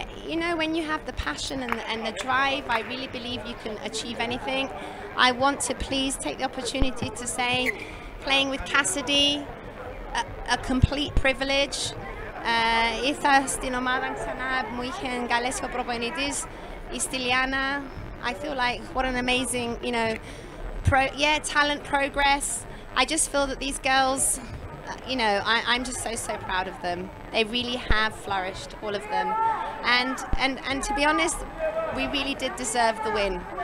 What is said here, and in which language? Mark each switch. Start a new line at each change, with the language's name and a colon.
English: You know, when you have the passion and the drive, I really believe you can achieve anything. I want to please take the opportunity to say, playing with Cassidy, a complete privilege.
Greek: Ήρθα στην ομάδα ξανά, μου είχαν καλέσει ο προπονητής, η Στυλιάνα.
English: I feel like, what an amazing, you know, talent progress. I just feel that these girls, you know, I'm just so, so proud of them. They really have flourished, all of them. And to be honest, we really did deserve the win.